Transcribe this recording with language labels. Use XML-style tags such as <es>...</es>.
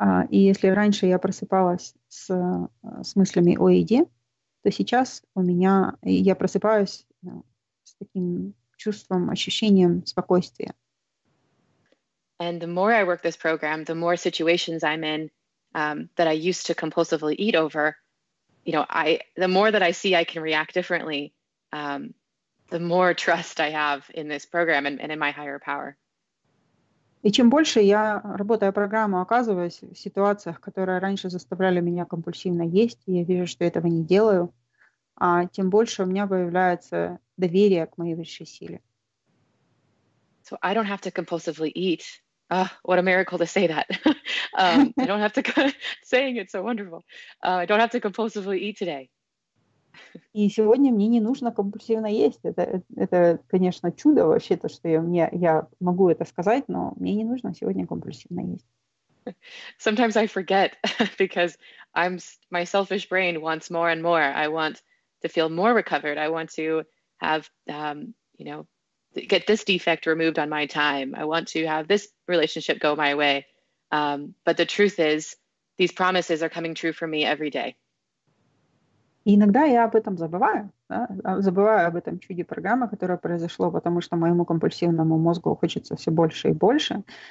<ru>И если раньше я просыпалась с мыслями о еде, то сейчас у меня, я просыпаюсь с таким чувством, ощущением спокойствия.</ru> <en>And the more I work this program, the more situations I'm in that I used to compulsively eat over, you know, the more that I see I can react differently, the more trust I have in this program and in my higher power.</en> <ru>И чем больше я, работая программу, оказываюсь в ситуациях, которые раньше заставляли меня компульсивно есть, и я вижу, что этого не делаю, а тем больше у меня появляется доверие к моей высшей силе.</ru> <en>So I don't have to compulsively eat. What a miracle to say that. I don't have to, saying it's so wonderful. I don't have to compulsively eat today.</en> <ru>И сегодня мне не нужно компульсивно есть. Это конечно, чудо вообще, то, что я могу это сказать, но мне не нужно сегодня компульсивно есть.</ru> <en>Sometimes I forget because I'm my selfish brain wants more and more. I want to feel more recovered. I want to have, you know, get this defect removed on my time. I want to have this relationship go my way. But the truth is, these promises are coming true for me every day.</en> <ru>И иногда я об этом забываю, да? Забываю об этом чуде программы, которое произошло, потому что моему компульсивному мозгу хочется все больше и больше.</ru>